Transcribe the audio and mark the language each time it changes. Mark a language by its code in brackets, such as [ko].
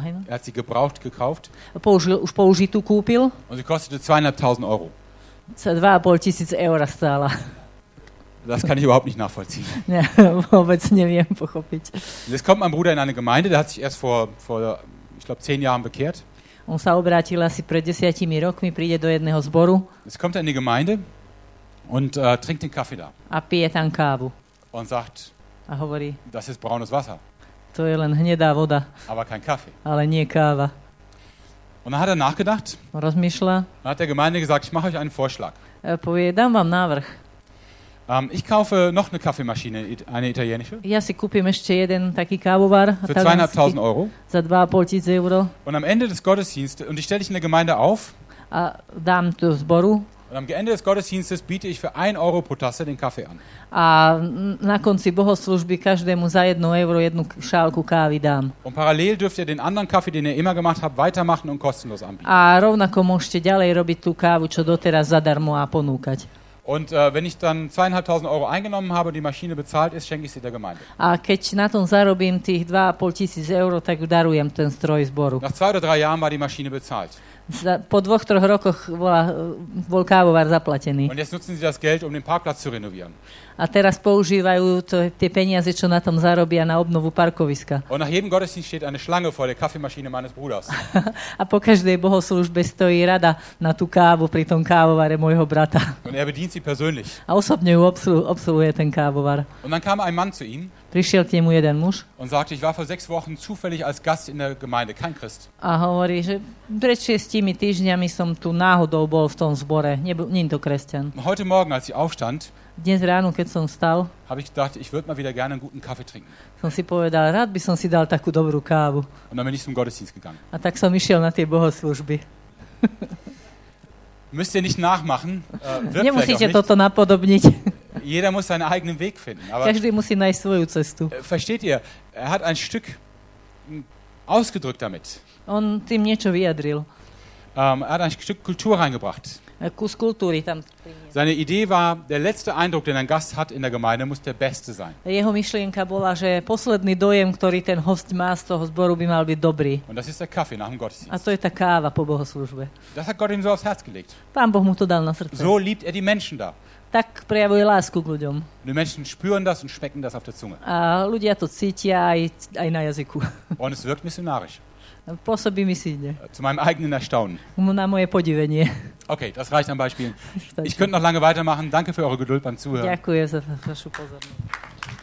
[de] er hat sie gebraucht gekauft. [sk] Už použitú kúpil. [de] Und sie kostete 2.500 Euro. [sk] 2.500 € stála. [de] Das kann ich überhaupt nicht nachvollziehen. [sk] Ja, vôbec neviem pochopiť. [de] Jetzt kommt mein Bruder in eine Gemeinde, der hat sich erst vor ich glaube, 10 Jahren bekehrt. [sk] On sa obrátil asi pred 10 rokmi, príde do jedného zboru. [de] Jetzt kommt er in die Gemeinde und trinkt den Kaffee da. [sk] A pije tam kávu. [de] Und sagt, [sk] a hovorí, [de] das ist braunes Wasser. [sk] To je len hnedá voda. [de] Aber kein Kaffee. [sk] Ale nie káva. [de] Und dann hat er nachgedacht. [sk] Rozmýšľa. [de] Dann hat der Gemeinde gesagt, ich mache euch einen Vorschlag. [sk] Povie, dám vám návrh. [de] Ich kaufe noch eine Kaffeemaschine, eine italienische. [sk] Ja si kúpim ešte jeden taký kávovar. [de] Für 2.500 Euro. [sk] Za 2.500 Euro. [de] Und am Ende des Gottesdienstes, und ich stelle dich in der Gemeinde auf. [sk] A dám tu zboru. [de] Und am Ende des Gottesdienstes biete ich für 1 Euro pro Tasse den Kaffee an. [sk] A na konci bohoslužby každému za 1 Euro jednu šálku kávy dám. [de] Und parallel dürft ihr den anderen Kaffee, den ihr immer gemacht habt, weitermachen und kostenlos anbieten. [sk] A rovnako môžete ďalej robiť tú kávu, čo doteraz zadarmo a ponúkať. [de] Und wenn ich dann 2.500 Euro eingenommen habe und die Maschine bezahlt ist, schenke ich sie der Gemeinde. [sk] A keď na tom zarobím tých 2.500 Euro, tak darujem ten stroj zboru. [de] Nach 2 oder 3 Jahren war die Maschine bezahlt. [sk] Po 2-3 rokoch bol kávovar zaplatený. [de] Und jetzt nutzen sie das Geld, um den Parkplatz zu renovieren. [sk] A teraz používajú tie peniaze, čo na tom zarobia, na obnovu parkoviska. [de] Und nach jedem Gottesdienst steht eine Schlange vor der Kaffeemaschine meines Bruders. [sk] A po každej bohoslužbe stojí rada na tú kávu pri tom kávovare môjho brata. [de] Und er bedient sie persönlich. [sk] A osobne ju obsluhuje ten kávovar. [de] Und dann kam ein Mann zu ihm. [sk] Prišiel k nemu jeden muž. [de] Und sagte, ich war vor 6 Wochen zufällig als Gast in der Gemeinde, kein Christ. [sk] A hovorí, že pred 6 týždňami som tu náhodou bol v tom zbore, nie to kresťan. [de] Heute Morgen, als ich aufstand, [sk] dnes ráno, keď som stal, [de] habe ich gedacht, ich würde mal wieder gerne einen guten Kaffee trinken. [sk] Som si povedal, rád by som si dal takú dobrú kávu. [de] Und dann bin ich zum Gottesdienst gegangen. [sk] A tak som išiel na tie bohoslužby. [de] Müsst ihr nicht nachmachen. [sk] Nemusíte toto napodobniť. [de] Jeder muss seinen eigenen Weg finden. Aber [sk] každý musí nájsť svoju cestu. [de] Versteht ihr? Er hat ein Stück ausgedrückt damit. [sk] On tým niečo vyjadril. [de] Er hat ein Stück Kultur reingebracht. [sk] Kus kultúry tam. [de] Seine Idee war, der letzte Eindruck, den ein Gast hat in der Gemeinde, muss der beste sein. [sk] Jeho myšlienka bola, že posledný dojem, ktorý ten host má z toho zboru, by mal byť dobrý. [de] Und das ist der Kaffee nach dem Gottesdienst. [sk] A to je tá káva po bohoslužbe. [de] Das hat Gott ihm so aufs Herz gelegt. [sk] Pán Boh mu to dal na srdce. [de] So liebt er die Menschen da. [sk] Tak prejavuje lásku k ľuďom. [de] Und die Menschen spüren das und schmecken das auf der Zunge. [sk] A ľudia to cítia aj na jazyku. [de] Und es wirkt missionarisch. [sk] Pôsobí misijne. [de] Zu meinem eigenen Erstaunen. [sk] Na moje podivenie. [de] Okay, das reicht an Beispielen. Ich könnte noch lange weitermachen. Danke für eure Geduld beim Zuhören. [sk] Ďakujem za vašu pozornosť.